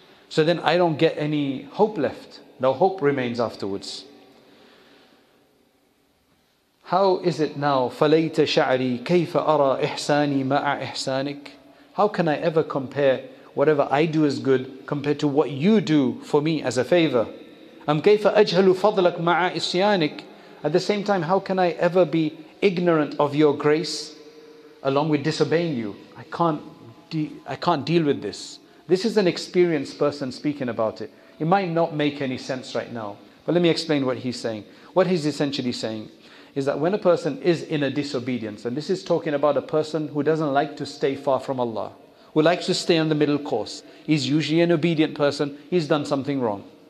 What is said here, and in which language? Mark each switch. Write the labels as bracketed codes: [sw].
[en] So then I don't get any hope left. No hope remains afterwards. How is it now? [ar] فَلَيْتَ شَعْرِي كَيْفَ أَرَى إِحْسَانِي مَعَ إِحْسَانِكَ. [en] How can I ever compare whatever I do as good compared to what you do for me as a favor? [ar] أَمْ كَيْفَ أَجْهَلُ فَضْلَكَ مَعَ إِسْيَانِكَ. [en] At the same time, how can I ever be ignorant of your grace along with disobeying you? I can't deal with this. This is an experienced person speaking about it. It might not make any sense right now, but let me explain what he's saying. What he's essentially saying is that when a person is in a disobedience, and this is talking about a person who doesn't like to stay far from Allah, who likes to stay on the middle course, he's usually an obedient person, he's done something wrong.